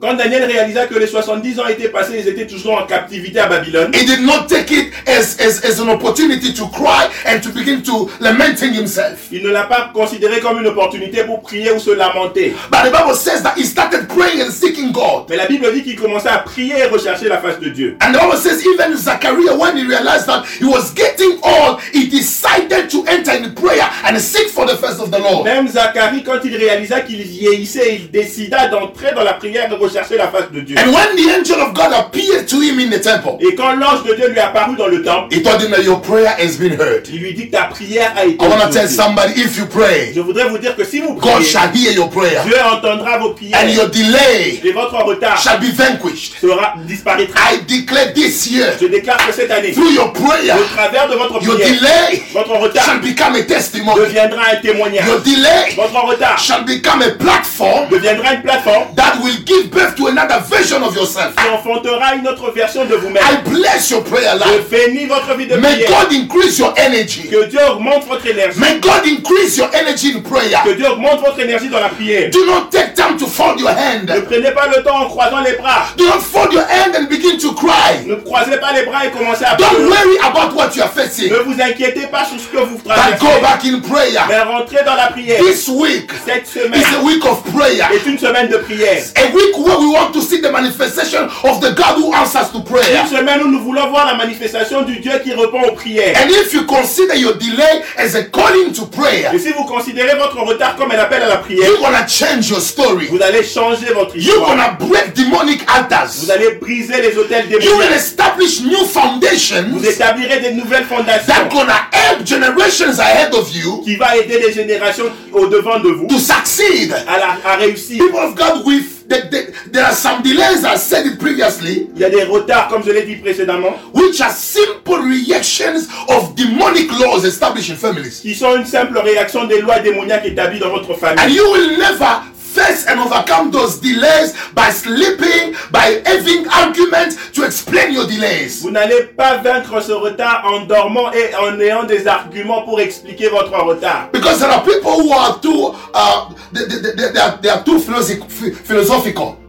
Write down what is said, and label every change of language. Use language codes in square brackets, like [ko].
[fr] Quand Daniel réalisa que les 70 ans étaient passés, ils étaient toujours en captivité à Babylone. [en] He did not take it as an opportunity to cry and to begin to lamenting himself. [fr] Il ne l'a pas considéré comme une opportunité pour prier ou se lamenter. [en] But the Bible says that he started praying and seeking God. [fr] Mais la Bible dit qu'il commençait à prier et rechercher la face de Dieu. [en] And the Bible says even Zachariah, when he realized that he was getting old, he decided to enter in prayer and seek for the face of the Lord. [fr] Même Zacharie, quand il réalisa qu'il vieillissait, il décida d'entrer dans la prière et rechercher la face de Dieu. [en] And when the angel of God appeared to him in the temple, [fr] et quand l'ange de Dieu lui apparut dans le temple, [en] he told him that your prayer has been heard. [fr] Il lui dit que ta prière a été entendue. [en] I want to tell somebody, if you pray, [fr] je voudrais vous dire que si vous priez, [en] God shall hear your prayer. [fr] Dieu entendra vos prières. [en] And your delay, [fr] et votre retard, [en] shall be vanquished. [fr] Sera disparaîtra. [en] I declare this year. [fr] Je déclare que cette année, [en] through your prayer, [fr] au travers de votre prière, [en] your delay, [fr] votre retard, [en] shall become a testimony, [fr] deviendra un témoignage. [en] Your delay, [fr] votre retard, [en] shall become a platform, [fr] deviendra une plateforme, [en] that will give birth to another version of yourself, [fr] qui enfantera une autre version de vous-même. [en] I bless your prayer life. [fr] Je bénis votre vie de prière. [en] May God increase your energy. [fr] Que Dieu augmente votre énergie. [en] May God increase your energy in prayer. [fr] Que Dieu augmente votre énergie dans la prière. [en] Do not take time to fold your hand. [fr] Ne prenez pas le temps en croisant les bras. [en] Do not fold your hand and begin to cry. [fr] Ne croisez pas les bras et commencez à pleurer. [en] Don't worry about what you are facing. [fr] Ne vous inquiétez pas sur ce que vous traversez. [en] But go back in prayer. [fr] Mais rentrez dans la prière. [en] This week, [fr] cette semaine, [en] is a week of prayer. [fr] Est une semaine de prière. [en] A week where we want to see the manifestation of the God who answers to prayer. [fr] Une semaine où nous voulons voir la manifestation du Dieu qui répond aux prières. [en] And if you consider your delay as a calling to prayer, [fr] et si vous considérez votre retard comme un appel à la prière, [en] you're gonna change your story. [fr] Vous allez changer votre histoire. [en] You're gonna break demonic altars. [fr] Vous allez briser les autels démoniaques. [en] You will establish new foundations. [fr] Vous établirez des nouvelles fondations. [en] That gonna help generations ahead of you, [fr] qui va aider les générations au devant de vous, [en] to succeed, [fr] à réussir. [en] People of God, there are some delays, I said it previously. [fr] Il y a des retards, comme je l'ai dit précédemment, [en] which are simple reactions of demonic laws established in families. [fr] Qui sont une simple réaction des lois démoniaques établies dans votre famille. [en] And you will never face and overcome those delays by sleeping, by having arguments to explain your delays. [fr] Vous n'allez pas vaincre ce retard en dormant et en ayant des arguments pour expliquer votre retard. [en] Because there are people who are too philosophical.